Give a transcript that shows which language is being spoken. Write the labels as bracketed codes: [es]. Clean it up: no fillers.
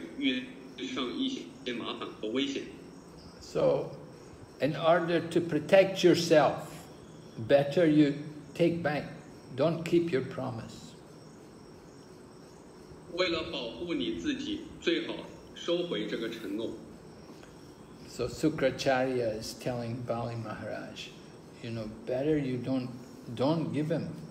[zh] 因为如果你这个时候保持你的承诺的话,你会遇上一些麻烦和危险。 [en] So, in order to protect yourself, better you take back, don't keep your promise. [zh] 为了保护你自己,最好收回这个承诺。 [en] So Sukracharya is telling Bali Maharaj, you know, better you don't give him.